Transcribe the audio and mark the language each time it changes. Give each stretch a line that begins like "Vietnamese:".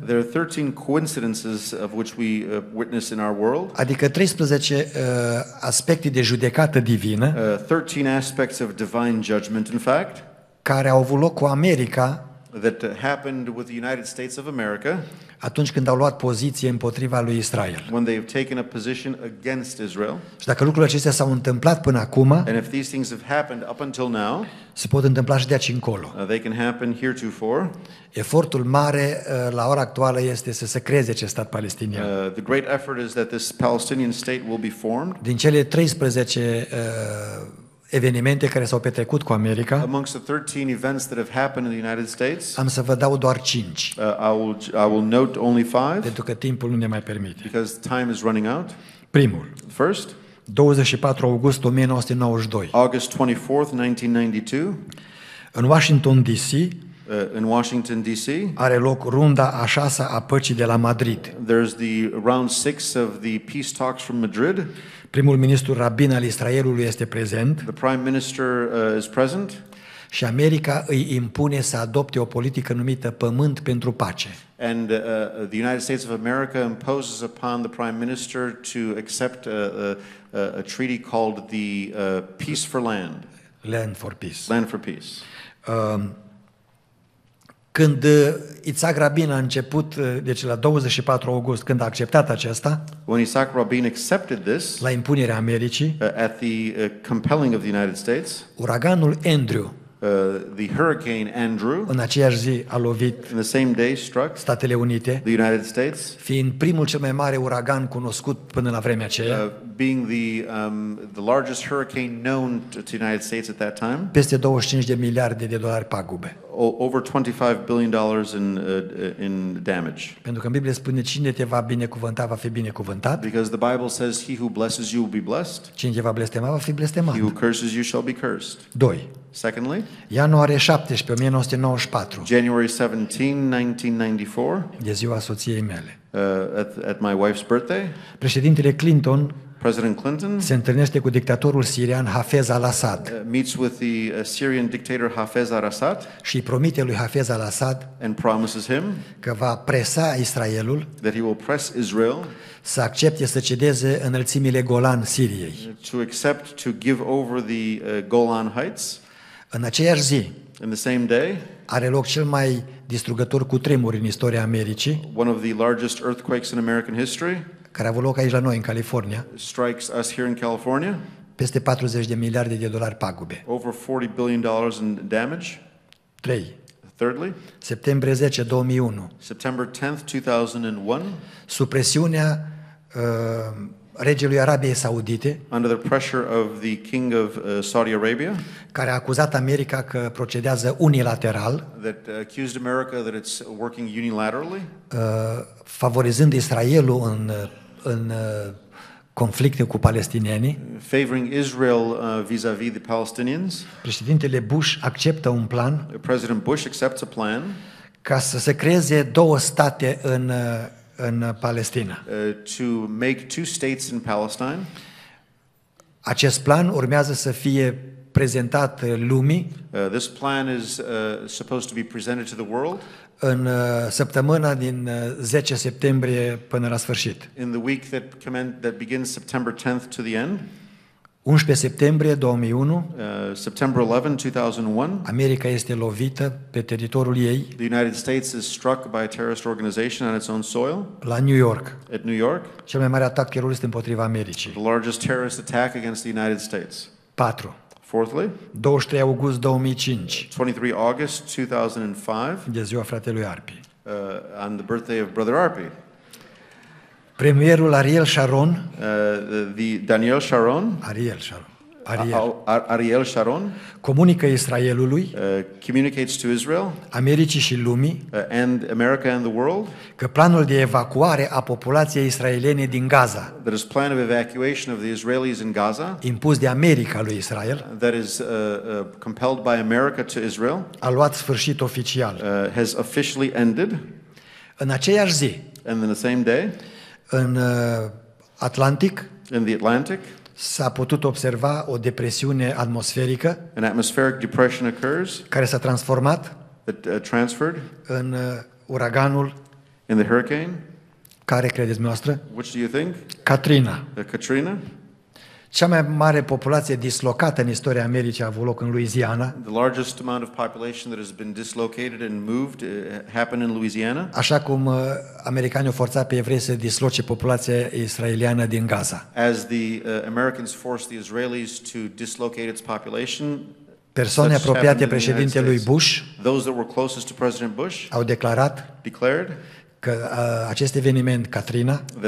English: There are 13 coincidences of which we witness in our world.
Romanian: Adică 13 aspecte de judecată divină.
English: 13 aspects of divine judgment, in fact.
Romanian: Care au avut loc cu America.
English: That happened with the United States of America.
Romanian: Atunci când au luat poziție împotriva lui Israel.
English: When they have taken a position against Israel.
Romanian: Și dacă lucrurile acestea s-au întâmplat până acum,
English: and if these things have happened up until now,
Romanian: se pot întâmpla și de aici încolo.
English: They can happen heretofore.
Romanian: Efortul mare la ora actuală este să se creeze acest stat palestinian.
English: The great effort is that this Palestinian state will be formed.
Romanian: Din cele 13 evenimente care s-au petrecut cu America.
English: Amongst the 13 events that have happened in the United States.
Romanian: Am să vă dau doar 5.
English: I will note only 5.
Romanian: Pentru că timpul nu ne mai permite.
English: Because time is running out.
Romanian: Primul.
English: First.
Romanian: 24 august 1992.
English: August 24th, 1992.
Romanian: În Washington DC.
English: In Washington DC.
Romanian: Are loc runda a 6-a a păcii de la Madrid.
English: There's the round 6 of the peace talks from Madrid.
Romanian: Primul ministru rabin al Israelului este prezent.
English: The Prime Minister is present.
Romanian: Și America îi impune să adopte o politică numită Pământ pentru Pace.
English: And the United States of America imposes upon the Prime Minister to accept a treaty called the Peace for Land. Land for Peace. Land for Peace.
Romanian: Când Itzhak Rabin a început, deci la 24 august, când a acceptat aceasta,
English: when Itzhak Rabin accepted this,
Romanian: la impunerea Americii,
English: at the compelling of the United States,
Romanian: uraganul Andrew,
English: the hurricane Andrew,
Romanian: în aceeași zi a lovit,
English: in the same day struck,
Romanian: Statele Unite,
English: the United States,
Romanian: fiind primul cel mai mare uragan cunoscut până la vremea aceea,
English: being the largest hurricane known to the United States at that time,
Romanian: peste 25 de miliarde de dolari pagube.
English: Over $25 billion in damage.
Romanian: Pentru că în Biblie spune cine te va binecuvânta va fi binecuvântat.
English: Because the Bible says he who blesses you will be blessed.
Romanian: Cine te va blestema va fi blestemat.
English: He who curses you shall be cursed.
Romanian: 2.
English: Secondly.
Romanian: Ianuarie 17, 1994.
English: January 17, 1994.
Romanian: De ziua soției mele.
English: At my wife's birthday.
Romanian: Președintele Clinton.
English: President Clinton
Romanian: se întâlnește cu dictatorul sirian Hafez al-Assad.
English: Meets with the Syrian dictator Hafez al-Assad.
Romanian: Și promite lui Hafez al-Assad
English: and promises him
Romanian: că va presa Israelul,
English: that he will press Israel,
Romanian: să accepte să cedeze înălțimile Golan Siriei.
English: To accept to give over the Golan Heights.
Romanian: În aceeași zi,
English: in the same day,
Romanian: are loc cel mai distrugător cutremur în istoria Americii.
English: One of the largest earthquakes in American history.
Romanian: Care a avut loc aici la noi, în California,
English: strikes us here in California,
Romanian: peste 40 de miliarde de dolari pagube.
English: Over $40 billion in damage.
Romanian: 3.
English: Thirdly.
Romanian: Septembrie 10, 2001.
English: September 10, 2001.
Romanian: Sub presiunea regelui Arabiei Saudite,
English: under the pressure of the King of Saudi Arabia,
Romanian: care a acuzat America că procedează unilateral,
English: that accused America that it's working unilaterally,
Romanian: favorizând Israelul în conflicte cu palestinienii,
English: favoring Israel vis-a-vis the Palestinians.
Romanian: Președintele Bush acceptă un plan.
English: President Bush accepts a plan
Romanian: ca să se creeze două state în în Palestina.
English: To make two states in Palestine.
Romanian: Acest plan urmează să fie prezentat lumii.
English: This plan is supposed to be presented to the world.
Romanian: În săptămâna din 10 septembrie până la sfârșit.
English: In the week that begins September 10th to the end.
Romanian: 11 septembrie 2001.
English: September 11, 2001.
Romanian: America este lovită pe teritoriul ei.
English: The United States is struck by a terrorist organization on its own soil.
Romanian: La New York.
English: At New York.
Romanian: Cel mai mare atac terorist împotriva Americii.
English: The largest terrorist attack against the United States.
Romanian: 4.
English: Fourthly.
Romanian: 23 august 2005.
English: 23 August 2005.
Romanian: De ziua fratelui Arpi.
English: On the birthday of Brother Arpi.
Romanian: Premierul Ariel Sharon,
English: Daniel Sharon, Ariel Sharon,
Romanian: comunică Israelului,
English: communicates to Israel,
Romanian: Americii și lumii,
English: and America and the world,
Romanian: că planul de evacuare a populației israeliene din Gaza,
English: that is plan of evacuation of the Israelis in Gaza,
Romanian: impus de America lui Israel,
English: that is compelled by America to Israel,
Romanian: a luat sfârșit oficial,
English: has officially ended,
Romanian: în aceeași zi,
English: and in the same day.
Romanian: În Atlantic,
English: in the Atlantic,
Romanian: s-a putut observa o depresiune atmosferică,
English: an atmospheric depression occurs,
Romanian: care s-a transformat,
English: that, transferred,
Romanian: în uraganul,
English: in the hurricane,
Romanian: care credeți noastră?
English: Which do you think?
Romanian: Katrina.
English: Katrina.
Romanian: Cea mai mare populație dislocată în istoria Americii a avut loc în Louisiana.
English: The largest amount of population that has been dislocated and moved happened in Louisiana.
Romanian: Așa cum americanii au forțat pe evrei să disloce populația israeliană din Gaza.
English: As the Americans forced the Israelis to dislocate its population.
Romanian: Persoane apropiate președintelui Bush,
English: those that were closest to President Bush,
Romanian: au declarat,
English: declared,
Romanian: că acest eveniment Katrina,